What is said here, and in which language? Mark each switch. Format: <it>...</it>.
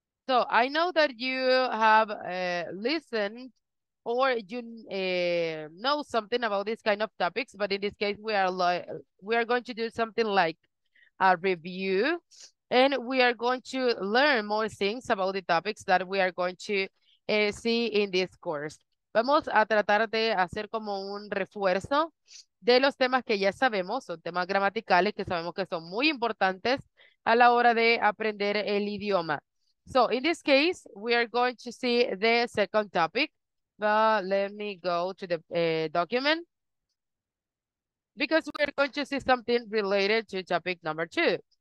<en>So I know that you have listened or you know something about these kind of topics, but in this case, we are going to do something like a review, and we are going to learn more things about the topics that we are going to see in this course.</en> <es>Vamos a tratar de hacer como un refuerzo de los temas que ya sabemos, son temas gramaticales que sabemos que son muy importantes a la hora de aprender el idioma.</es> <en>So, in this case, we are going to see the second topic, but let me go to the document, because we are going to see something related to topic number two.</en>